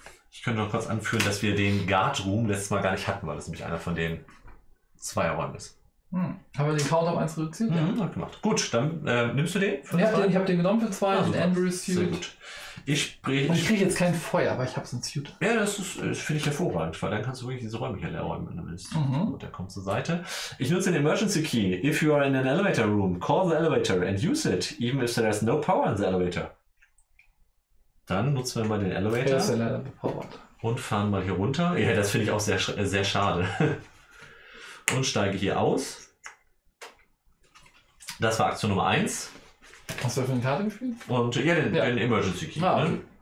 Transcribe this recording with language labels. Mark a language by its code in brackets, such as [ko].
[de] Ich könnte noch kurz anführen, dass wir den Guard Room letztes Mal gar nicht hatten, weil das nämlich einer von den zwei Räumen ist. Hm. Haben wir den Count auf 1 reduziert? Mhm, ja, gemacht. Gut, dann nimmst du den für ich den? Ich habe den genommen für 2 und den Andrew Suit. Sehr gut. Ich kriege jetzt kein Feuer, aber ich habe so einen Suit. Ja, das finde ich hervorragend, weil dann kannst du wirklich diese Räume hier leer räumen, wenn du willst. Mhm. Gut, der kommt zur Seite. Ich nutze den Emergency Key. [en] If you are in an elevator room, call the elevator and use it, even if there is no power in the elevator. [de] Dann nutzen wir mal den Elevator. Der ist ja leider bepowered. Und fahren mal hier runter. Ja, das finde ich auch sehr, sehr schade. Und steige hier aus. Das war Aktion Nummer 1. Hast du dafür eine Karte gespielt? Und ja, den Emergency Key. Ah, okay. Ne?